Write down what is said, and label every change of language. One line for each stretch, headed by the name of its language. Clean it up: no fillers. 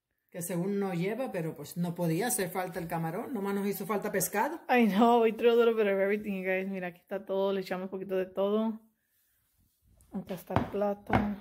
Spanish: Que según no lleva, pero pues no podía hacer falta el camarón. Nomás nos hizo falta pescado.
English: I know, we threw a little bit of everything, guys.
Spanish: Mira, aquí está todo. Le echamos un poquito de todo. Acá está el plato.